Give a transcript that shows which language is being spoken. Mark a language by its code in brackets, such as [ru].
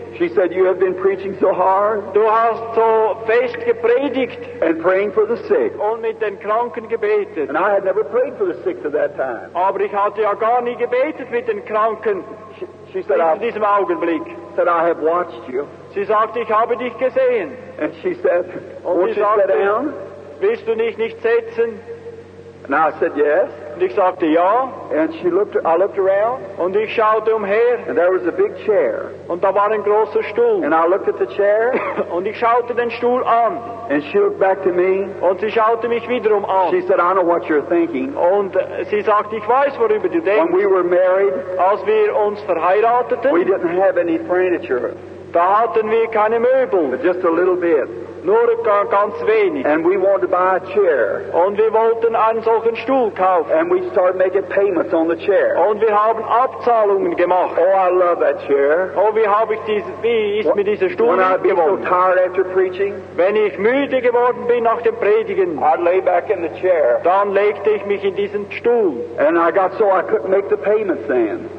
[en] She said, you have been preaching so hard. [de] Du hast so fest gepredigt. [en] And praying for the sick. [de] Und mit den Kranken gebetet. [en] And I had never prayed for the sick to that time. [de] Aber ich hatte ja gar nie gebetet mit den Kranken. [en] She said, I have watched you. [de] Sie sagte, ich habe dich gesehen. [en] And she said, won't you sit down? [de] Willst du dich nicht setzen? [en] And I said, yes. [de] Und ich sagte, ja. [en] And she looked, I looked around. [de] Und ich schaute umher. [en] And there was a big chair. [de] Und da war ein großer Stuhl. [en] And I looked at the chair. [de] Und ich schaute den Stuhl an. [en] And she looked back to me. [de] Und sie schaute mich wiederum an. [en] She said, I know what you're thinking. [de] Und sie sagte, ich weiß, worüber du denkst. [en] When we were married, [de] als wir uns verheirateten, [en] we didn't have any furniture. [de] Da hatten wir keine Möbel. [en] But just a little bit. [de] Nur ganz wenig. [en] And we wanted to buy a chair. [de] Und wir wollten einen solchen Stuhl kaufen. [en] And we started making payments on the chair. [de] Und wir haben Abzahlungen gemacht. [en] Oh, I love that chair. [de] Oh, mir dieser Stuhl [en] when I'd be so tired after preaching, [de] wenn ich müde geworden bin nach dem Predigen, [en] I'd lay back in the chair. [de] Dann legte ich mich in diesen Stuhl. [en] And I got so I couldn't make the payments then.